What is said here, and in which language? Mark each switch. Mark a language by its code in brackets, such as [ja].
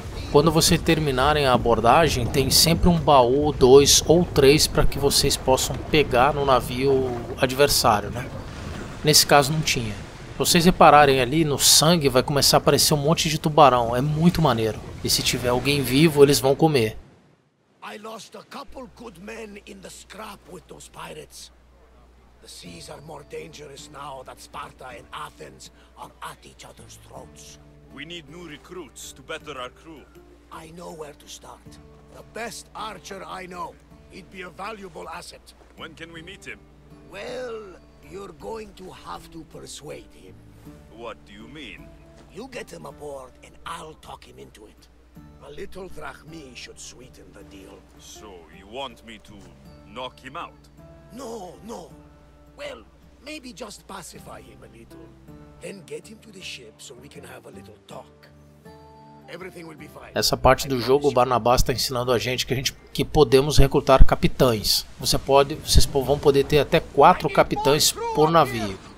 [pt] Quando vocês terminarem a abordagem, tem sempre um baú, dois ou três para que vocês possam pegar no navio adversário, né? Nesse caso não tinha. Se vocês repararem ali no sangue, vai começar a aparecer um monte de tubarão. É muito maneiro. E se tiver alguém vivo, eles vão comer. [en] I lost a couple good men in the scrap with those pirates. The seas are more dangerous now that Sparta and Athens are at each other's throats. We need new recruits to better our crew. I know where to start. The best archer I know. He'd be a valuable asset. When can we meet him? Well, you're going to have to persuade him. What do you mean? You get him aboard and I'll talk him into it. A little drachmi should sweeten the deal. So you want me to knock him out? No, no. Well, maybe just pacify him a little. Then get him to the ship so we can have a little talk. Everything will be fine. [pt] Essa parte do jogo, o Barnabas está ensinando a gente que podemos recrutar capitães. Vocês vão poder ter até 4 capitães por navio.